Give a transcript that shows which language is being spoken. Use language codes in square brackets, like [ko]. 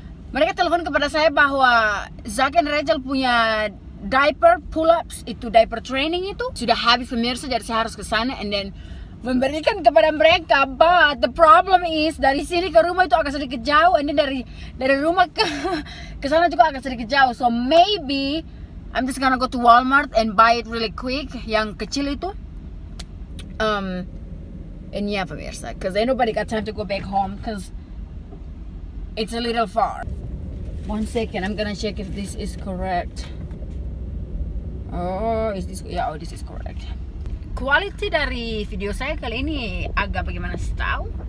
[id] Mereka telepon kepada saya bahwa Zack and Rachel punya diaper pull-ups, itu diaper training itu sudah habis, pemirsa, jadi saya harus ke sana [en] and then [id] memberikan kepada mereka. [en] But the problem is [id] dari sini ke rumah itu agak sedikit jauh, [en] and then [id] dari rumah ke sana juga agak sedikit jauh. [en] So maybe I'm just gonna go to Walmart and buy it really quick, [id] yang kecil itu. [en] And yeah, [id] pemirsa, [en] because ain't nobody got time to go back home because it's a little far. One second, I'm gonna check if this is correct. Oh, is this? Yeah, oh, this is correct. [id] Quality dari video saya kali ini agak bagaimana setahu.